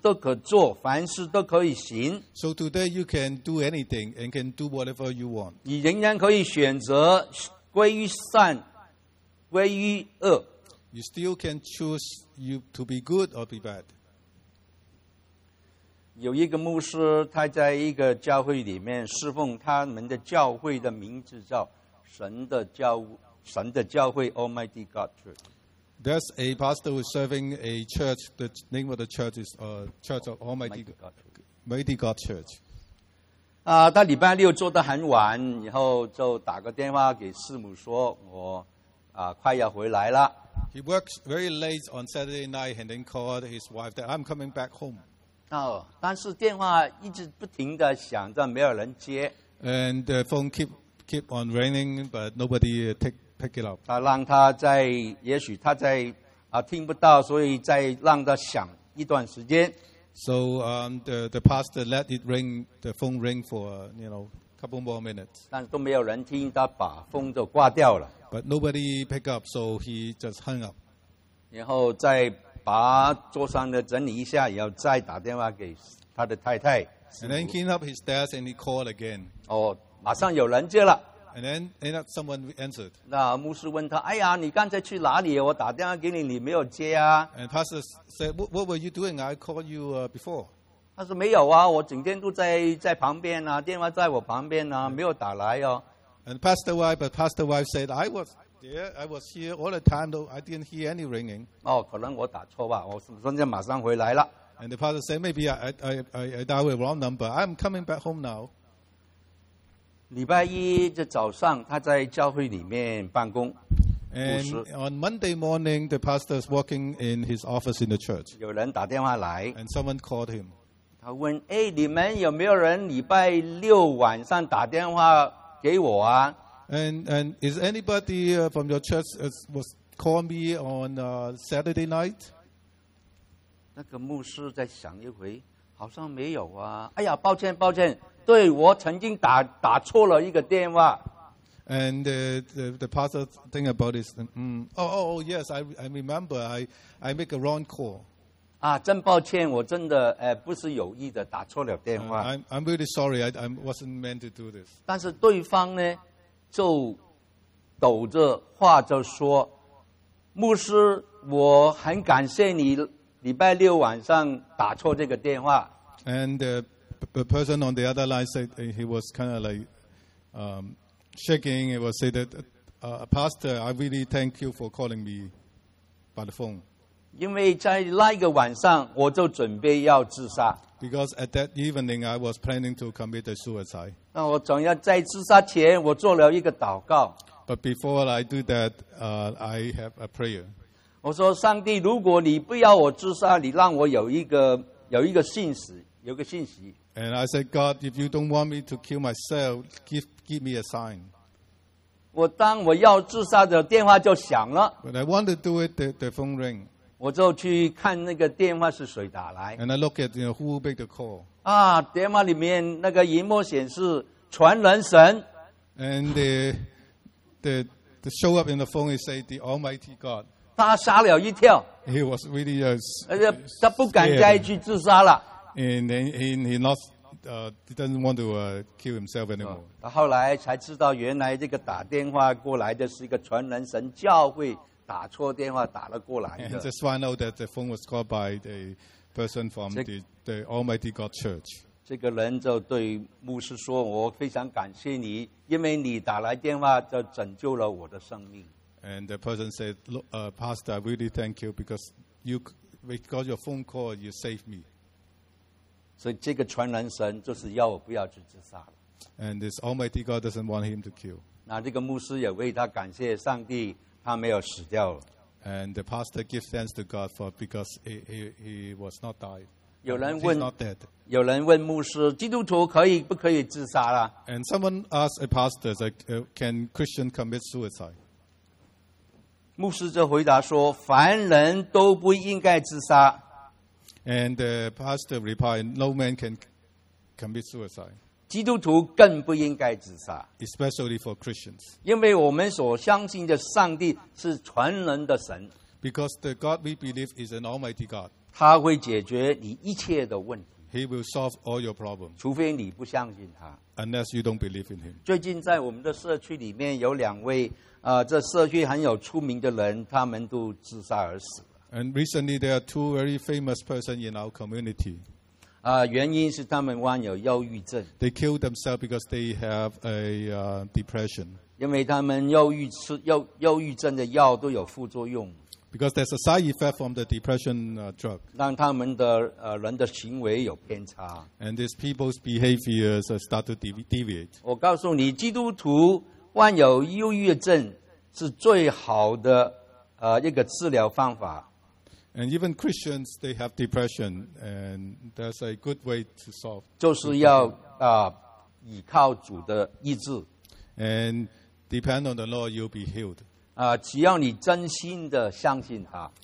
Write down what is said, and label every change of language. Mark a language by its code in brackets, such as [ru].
[zh] 所以今天你仍然可以凡事都可做，凡事都可以行。 [en] So today you can do anything and can do whatever you want. [zh] 你仍然可以选择归于善，归于恶。 [en] You still can choose you to be good or be bad. [zh] 有一个牧师，他在一个教会里面侍奉，他们的教会的名字叫神的教会 Almighty God Church. [en] There's a pastor who's serving a church. The name of the church is Church of Almighty God. Mighty God Church. [zh] 啊，他礼拜六做得很晚，然后就打个电话给师母说，我啊快要回来了。 [en] He works very late on Saturday night and then called his wife that I'm coming back home. [zh] 哦，但是电话一直不停的响着，没有人接。 [en] And the phone keep on ringing, but nobody pick it up. [zh] 他让他在，也许他在啊听不到，所以再让他响一段时间。 [en] So the pastor let it ring, the phone ring for couple more minutes. [zh] 但都没有人听，他把风就挂掉了。 [en] But nobody pick up, so he just hung up. [zh] 然后再把桌上的整理一下，然后再打电话给他的太太。 [en] And then he cleaned up his desk and he called again. [zh] 哦，马上有人接了。 [en] And then ended up someone answered. [zh] 那牧师问他，哎呀，你刚才去哪里？我打电话给你，你没有接啊。 [en] And pastor said, what were you doing? I called you before. [zh] 他说没有啊，我整天都在旁边啊，电话在我旁边啊，没有打来哦。 [en] And pastor wife said, I was there, I was here all the time, though I didn't hear any ringing. [zh] 哦，可能我打错吧，我瞬间马上回来了。 [en] And the pastor said, maybe I dialed wrong number. I'm coming back home now. [zh] 礼拜一的早上，他在教会里面办公。 [en] And on Monday morning, the pastor is working in his office in the church. [zh] 有人打电话来。 [en] And someone called him. [zh] 他问：“哎，你们有没有人礼拜六晚上打电话给我啊 [en] ？”And is anybody from your church was call me on Saturday night？ [zh] 那个牧师再想一回，好像没有啊。哎呀，抱歉，抱歉。对，我曾经打错了一个电话。 [en] And the pastor think about this. Yes, I remember. I make a wrong call. [zh] 啊，真抱歉，我真的不是有意的打错了电话。 [en] I'm really sorry. I wasn't meant to do this. [zh] 但是对方呢，就抖着话就说：“牧师，我很感谢你礼拜六晚上打错这个电话。 [en] ”And the person on the other line said he was kind of like shaking. He was saying that, Pastor, I really thank you for calling me by the phone. [zh] 因为在那一个晚上，我就准备要自杀。 [en] Because at that evening, I was planning to commit a suicide. [zh] 那我总要在自杀前，我做了一个祷告。 [en] But before I do that, I have a prayer. [zh] 我说，上帝，如果你不要我自杀，你让我有一个信息，有个信息。 [en] And I said, God, if you don't want me to kill myself, give me a sign. [zh] 我当我要自杀的电话就响了。 [en] When I want to do it, the phone rang. [zh] 我就去看那个电话是谁打来。 [en] And I look at who made the call. [zh] 啊，电话里面那个荧幕显示全能神。 [en] And the show up in the phone is say the Almighty God. [zh] 他吓了一跳。 [en] He was really scared. [zh] 他不敢再去自杀了。 [en] And he doesn't want to kill himself anymore. [zh] 后来才知道，原来这个打电话过来的是一个全能神教会打错电话打了过来的。 [en] And just find out that the phone was called by a person from the Almighty God Church. [zh] 这个人就对牧师说：“我非常感谢你，因为你打来电话就拯救了我的生命。” [en] And the person said, "Look, Pastor, I really thank you because your phone call, you saved me." [zh] 所以这个传人神就是要我不要去自杀了。 [en] And this Almighty God doesn't want him to kill. [zh] 那这个牧师也为他感谢上帝，他没有死掉了。 [en] And the pastor gives thanks to God for because he was not died. [zh] 有人问 [en] not dead. [zh] 有人问牧师，基督徒可以不可以自杀了 [en] ？And someone asked a pastor, like, can Christian commit suicide? [zh] 牧师就回答说，凡人都不应该自杀。 [en] And the pastor replied, "No man can commit suicide." [zh] 基督徒更不应该自杀 [en] especially for Christians. [zh] 因为我们所相信的上帝是全能的神 [en] because the God we believe is an Almighty God. [zh] 他会解决你一切的问题 [en] He will solve all your problems. [zh] 除非你不相信他 [en] unless you don't believe in him. [zh] 最近在我们的社区里面有两位，这社区很有出名的人，他们都自杀而死。 [en] And recently, there are two very famous persons in our community. [zh] 原因是他们患有忧郁症。 [en] They kill themselves because they have a depression. [zh] 因为他们忧郁症的药都有副作用。 [en] Because there's a side effect from the depression drug. And these people's behaviors start to deviate. [zh] 我告诉你, 基督徒患有忧郁症是最好的, [en] And even Christians, they have depression, and that's a good way to solve. [zh] 就是要, depression. [en] And depend on the Lord, you'll be healed. [zh] 只要你真心的相信他,